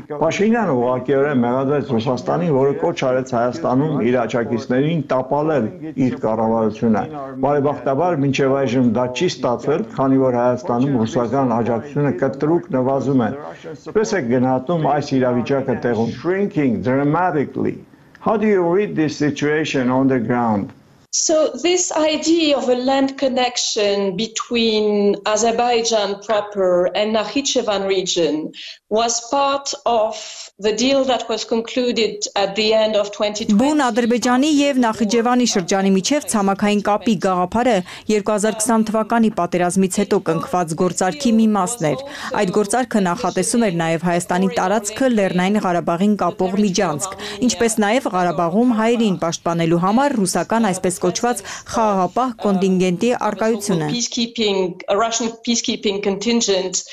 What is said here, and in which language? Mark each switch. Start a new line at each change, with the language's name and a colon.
Armenian: Պաշինյանը ուղղակիորեն մեղադրեց Ռուսաստանին, որը կոչ արեց Հայաստանում իր աջակիցներին տապալել իր կառավարությունը։ Բարեբախտաբար մինչև այժմ դա չի ստացվել, քանի որ Հայաստանում ռուսական աջակցությունը կտրուկ նվազում Ինչպես եք գնահատում այս իրավիճակը տեղում?
English: Shrinking dramatically. How do you read this situation on the ground? So this idea of a land connection between Azerbaijan proper and Nakhichevan region was part of the deal that was concluded at the end of 2020.
Armenian: Բուն Ադրբեջանի եւ Նախիջևանի շրջանի միջև ցամաքային կապի գաղափարը 2020 թվականի պատերազմից հետո կնքված գործարքի մի մասն էր։ Այդ գործարքը նախատեսում էր նաեւ Հայաստանի տարածքը Լեռնային Ղարաբաղին կապող միջանցք, ինչպես նաեւ Ղարաբաղում հայերին պաշտպանելու համար ռուսական այսպես կոչված խաղաղապահ կոնտինգենտի առկայությունը։